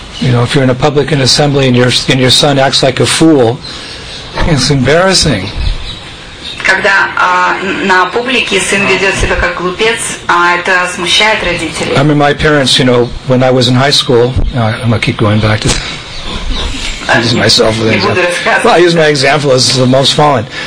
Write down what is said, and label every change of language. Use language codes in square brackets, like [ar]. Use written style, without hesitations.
[en] You know, if you're in a public assembly and your son acts like a fool, it's embarrassing. [ru] Когда на публике сын ведет себя как глупец, это смущает родителей. [en] I mean, my parents, you know, when I was in high school, I'm gonna keep going back to. I use my example as the most fallen.